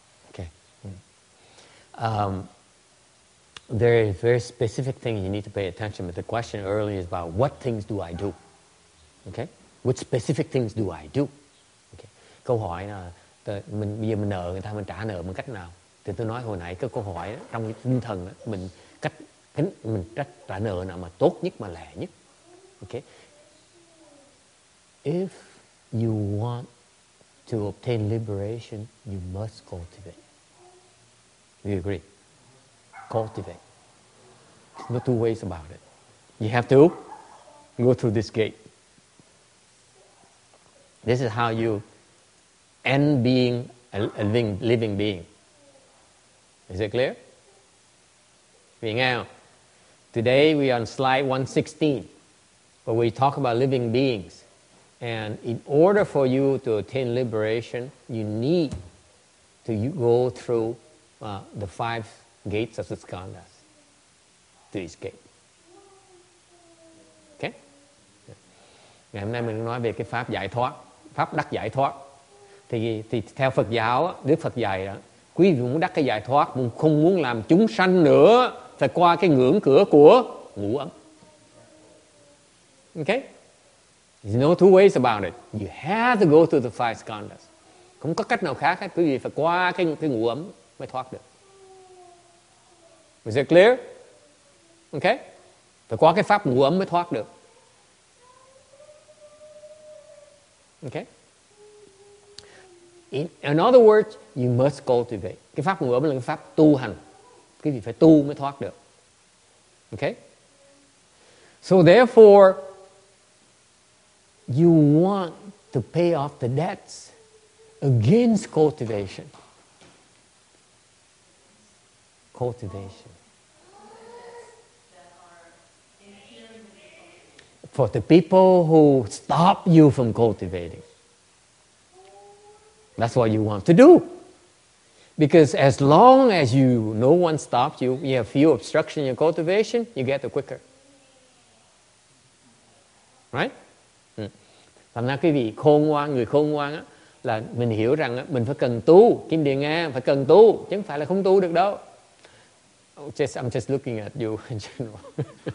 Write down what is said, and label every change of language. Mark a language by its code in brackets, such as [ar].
[en] Okay. There is very specific things you need to pay attention, but the question earlier is about what things do I do? Okay? What specific things do I do? Okay. [vi] Câu hỏi là mình nợ người ta, mình trả nợ bằng cách nào? Thì tôi nói hồi nãy cái câu hỏi đó, trong tinh thần đó, mình trả nợ nào mà tốt nhất mà lẹ nhất. Okay? [en] If you want to obtain liberation, you must cultivate. Do you agree? Cultivate. No two ways about it. You have to go through this gate. This is how you end being a living being. Is it clear? Today we are on slide 116, where we talk about living beings. And in order for you to attain liberation, you need to go through the five gates of the skandhas to escape. Okay? Yeah. [vi] Ngày hôm nay mình nói về cái pháp giải thoát, pháp đắc giải thoát. Thì theo Phật giáo, Đức Phật dạy đó, quý vị muốn đắc cái giải thoát, muốn không muốn làm chúng sanh nữa, phải qua cái ngưỡng cửa của ngũ ấm. [en] Okay? There's no two ways about it. You have to go through the five skandhas. [vi] Không có cách nào khác hết, quý vị phải qua cái ngũ ấm mới thoát được. [en] Is it clear? Okay? [vi] Phải qua cái pháp ngũ ấm mới thoát được. [en] Okay? In other words, you must cultivate. [vi] Cái pháp ngũ ấm là cái pháp tu hành. Cái gì phải tu mới thoát được. [en] Okay? So therefore, you want to pay off the debts against cultivation. cultivation. For the people who stop you from cultivating, that's what you want to do. Because as long as you, no one stops you, you have few obstructions in your cultivation, you get it quicker. Right? [vi] Thành ra quý vị khôn ngoan, người khôn ngoan á, là mình hiểu rằng á, mình phải cần tu, Kim Điền Ngang phải cần tu, chứ không phải là không tu được đâu. [en] Oh, just, I'm just looking at you in general.